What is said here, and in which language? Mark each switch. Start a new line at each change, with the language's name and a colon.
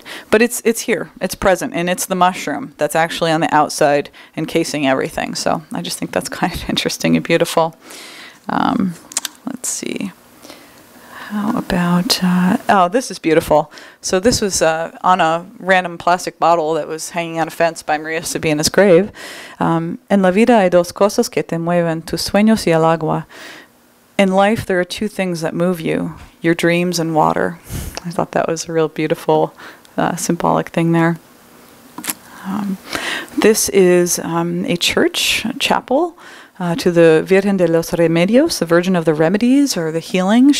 English: But it's here, it's present, and it's the mushroom that's actually on the outside encasing everything. So I just think that's kind of interesting and beautiful. Let's see. How about, this is beautiful. So this was on a random plastic bottle that was hanging on a fence by Maria Sabina's grave.
Spanish: En la vida hay dos cosas que te mueven, tus sueños y el agua.
English: In life, there are two things that move you, your dreams and water. I thought that was a real beautiful symbolic thing there. This is a church, a chapel, to the Virgen de los Remedios, the Virgin of the Remedies or the Healing.